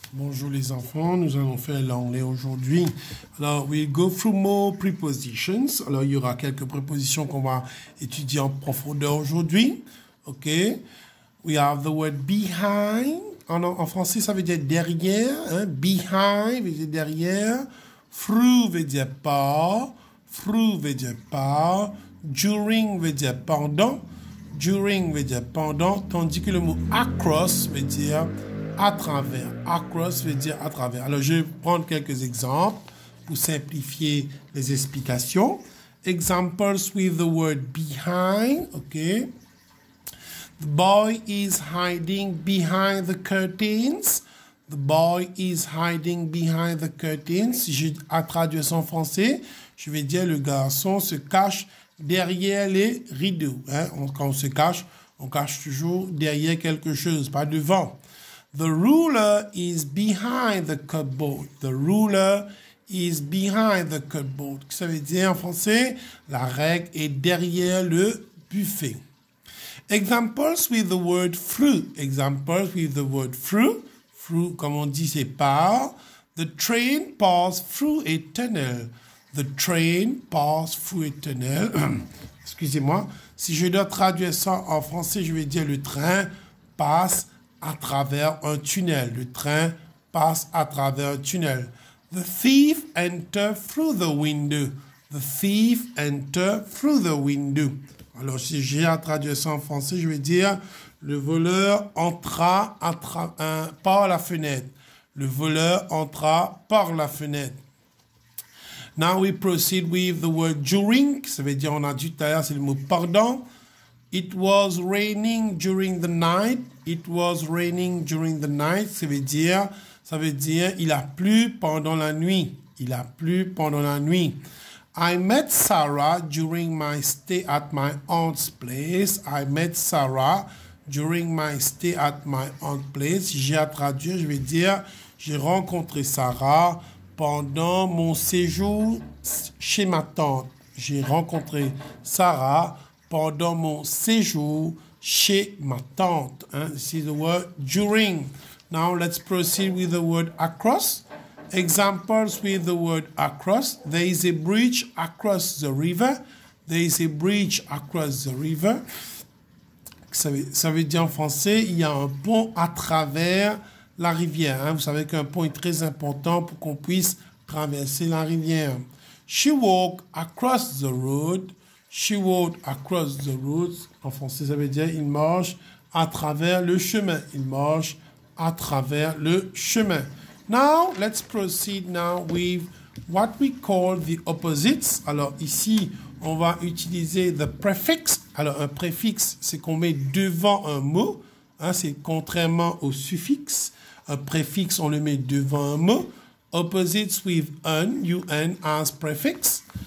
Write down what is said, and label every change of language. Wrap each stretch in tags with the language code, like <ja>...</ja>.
<fr>Bonjour les enfants, nous allons faire l'anglais aujourd'hui.</fr> <en>Alors, we'll go through more prepositions.</en> <fr>Alors, il y aura quelques prépositions qu'on va étudier en profondeur aujourd'hui. OK?</fr> <en>We have the word behind.</en> <fr>En français, ça veut dire derrière. Hein? Behind veut dire derrière. Through veut dire par. Through veut dire par. During veut dire pendant. During veut dire pendant. Tandis que le mot across veut dire à travers. Across veut dire à travers. Alors, je vais prendre quelques exemples pour simplifier les explications.</fr> <en>Examples with the word behind. OK. The boy is hiding behind the curtains. The boy is hiding behind the curtains.</en> <fr>Si j'ai à traduire en français, je vais dire le garçon se cache derrière les rideaux. Hein? Quand on se cache, on cache toujours derrière quelque chose, pas devant.</fr> <en>The ruler is behind the cupboard. The ruler is behind the cupboard.</en> <fr>Ça veut dire en français, la règle est derrière le buffet.</fr> <en>Examples with the word through. Examples with the word through.</en> <fr>Through, comme on dit, c'est par.</fr> <en>The train passed through a tunnel. The train passed through a tunnel.</en> <fr>Excusez-moi. Si je dois traduire ça en français, je vais dire le train passe à travers un tunnel. Le train passe à travers un tunnel.</fr> <en>The thief entered through the window. The thief entered through the window.</en> <fr>Alors, si j'ai à traduire ça en français, je vais dire le voleur entra par la fenêtre. Le voleur entra par la fenêtre.</fr> <en>Now we proceed with the word during.</en> <fr>Ça veut dire, on a dit tout à l'heure, c'est le mot pardon.</fr> <en>It was raining during the night. It was raining during the night.</en> <fr>Ça veut dire, il a plu pendant la nuit. Il a plu pendant la nuit.</fr> <en>I met Sarah during my stay at my aunt's place. I met Sarah during my stay at my aunt's place.</en> <fr>J'ai à traduire, je vais dire, j'ai rencontré Sarah pendant mon séjour chez ma tante. J'ai rencontré Sarah pendant mon séjour chez ma tante.</fr> <en>Hein? See the word during. Now let's proceed with the word across. Examples with the word across. There is a bridge across the river. There is a bridge across the river.</en> <fr>Ça veut dire en français, il y a un pont à travers la rivière. Hein? Vous savez qu'un pont est très important pour qu'on puisse traverser la rivière.</fr> <en>She walked across the road. She walked across the road.</en> <fr>En français, ça veut dire il marche à travers le chemin. Il marche à travers le chemin.</fr> <en>Now, let's proceed now with what we call the opposites.</en> <fr>Alors, ici, on va utiliser</fr> <en>the prefix.</en> <fr>Alors, un préfixe, c'est qu'on met devant un mot. Hein, c'est contrairement au suffixe. Un préfixe, on le met devant un mot.</fr> <en>Opposites with un, un as prefix.</en>